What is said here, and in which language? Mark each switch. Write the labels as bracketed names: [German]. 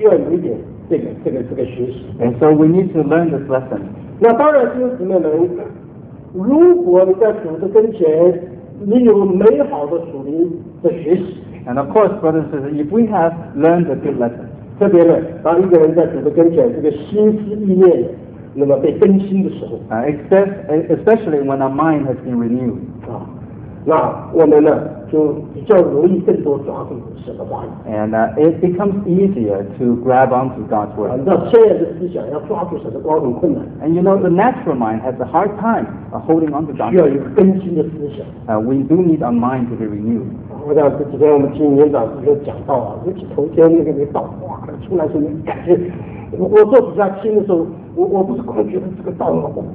[English] And so we need to learn this lesson. [Chinese] 那当然就是你们能如果你在主的跟前，你有美好的属灵的学习。 [English] And of course, brothers and sisters, if we have learned a good lesson, [Chinese] 特别呢，当一个人在主的跟前，这个心思意念，那么被更新的时候。 [English] Especially when our mind has been renewed. [Chinese] 那我们呢，就比较容易更多抓住神的话语。 [English] And it becomes easier to grab onto God's word. [Chinese] 那现在的思想要抓住神的光很困难。 [English] And you know, the natural mind has a hard time holding onto God's word. [Chinese] 需要有更新的思想。 [English] We do need our mind to be renewed. [Chinese] 我想这几天我们听年长师讲到啊，尤其头天那个你祷告出来的时候，你感觉。我坐底下听的时候，我不是光觉得这个道吗？